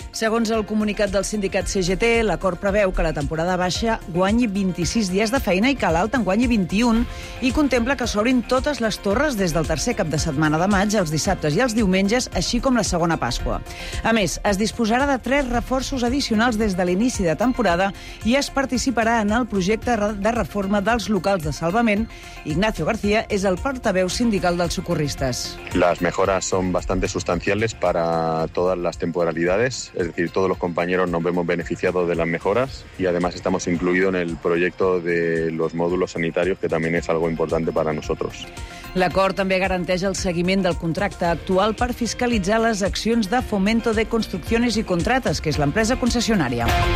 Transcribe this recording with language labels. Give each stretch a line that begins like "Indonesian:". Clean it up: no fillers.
Catalan: Segons el comunicat del sindicat CGT, l'acord preveu que la temporada baixa guanyi 26 dies de feina i que l'alta en guanyi 21 i contempla que s'obrin totes les torres des del tercer cap de setmana de maig, els dissabtes i els diumenges, així com la segona Pasqua. A més, es disposarà de 3 reforços addicionals des de l'inici de temporada i es participarà en el projecte de reforma dels locals de salvament. Ignacio García és el portaveu sindical dels socorristes.
Spanish: Las mejoras son bastante sustanciales para todas las temporalidades, es decir, todos los compañeros nos vemos beneficiados de las mejoras y además estamos incluidos en el proyecto de los módulos sanitarios, que también es algo importante para nosotros.
Catalan: L'acord també garanteix el seguiment del contracte actual per fiscalitzar les accions de Fomento de Construcciones y Contratas, que és l'empresa concessionària.